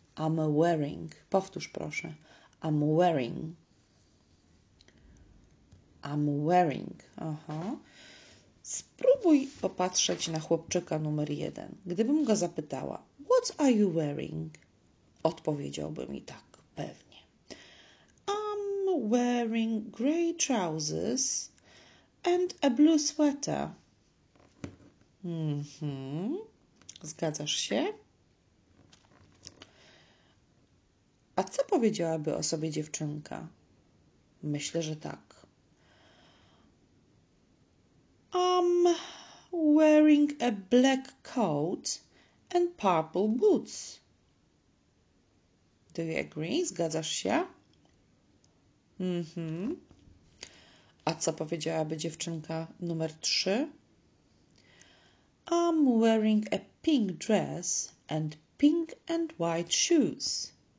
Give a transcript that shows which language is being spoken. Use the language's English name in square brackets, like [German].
[English] I'm wearing. [Polish] Powtórz proszę. [English] I'm wearing. I'm wearing. Aha. [Polish] Spróbuj popatrzeć na chłopczyka numer 1. Gdybym go zapytała, [English] what are you wearing? [Polish] Odpowiedziałby mi tak, pewnie. [English] I'm wearing grey trousers and a blue sweater. [Polish] Zgadzasz się? A co powiedziałaby o sobie dziewczynka? Myślę, że tak. [English] I'm wearing a black coat and purple boots. Do you agree? [Polish] Zgadzasz się? A co powiedziałaby dziewczynka numer 3? [English] I'm wearing a pink dress and pink and white shoes.